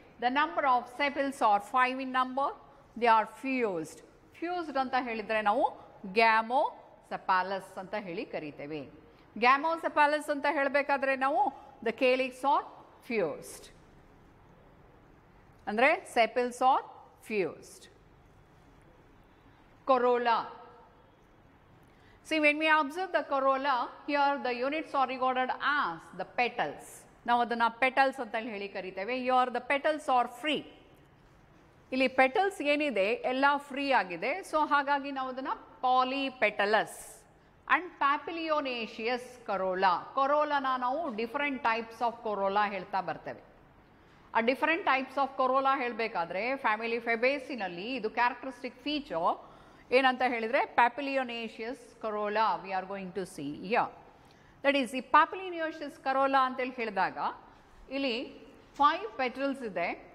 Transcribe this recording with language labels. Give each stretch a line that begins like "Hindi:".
English: The number of sepals are 5 in number, they are fused.
Kannada: Fused ಅಂತ ಹೇಳಿದರೆ ನಾವು Gamow ಸೆಪಾಲಸ್ ಅಂತ ಹೇಳಿ ಕರಿತೇವೆ. ಗ್ಯಾಮೋ ಸೆಪಾಲಸ್ ಅಂತ ಹೇಳಬೇಕಾದ್ರೆ ನಾವು
English: the calyx are fused
Kannada: ಅಂದರೆ
English: Sepals are fused. Corolla, see when we observe the corolla here the units are regarded as the petals. Now
Kannada: adana petals anta heli karitave,
English: here the petals are free.
Kannada: ಇಲ್ಲಿ petals ಏನಿದೆ ಎಲ್ಲ free ಆಗಿದೆ, so ಹಾಗಾಗಿ ನಾವು ಅದನ್ನು ಪಾಲಿಪೆಟಲಸ್ and ಪ್ಯಾಪಿಲಿಯೋನೇಷಿಯಸ್ corolla. ಕೊರೋಲಾನ ನಾವು different types of corolla ಹೇಳ್ತಾ ಬರ್ತೇವೆ. ಆ ಡಿಫ್ರೆಂಟ್ ಟೈಪ್ಸ್ ಆಫ್ ಕೊರೋಲಾ ಹೇಳಬೇಕಾದ್ರೆ, ಫ್ಯಾಮಿಲಿ ಫೆಬೇಸಿನಲ್ಲಿ ಇದು ಕ್ಯಾರೆಕ್ಟರಿಸ್ಟಿಕ್ ಫೀಚರ್ ಏನಂತ ಹೇಳಿದರೆ ಪ್ಯಾಪಿಲಿಯೋನೇಷಿಯಸ್ corolla
English: we are going to see yeah that is
Kannada: ಈ ಪ್ಯಾಪಿಲಿಯೋನೇಷಿಯಸ್ ಕರೋಲಾ ಅಂತೇಳಿ ಹೇಳಿದಾಗ ಇಲ್ಲಿ ಫೈವ್ ಪೆಟಲ್ಸ್ ಇದೆ.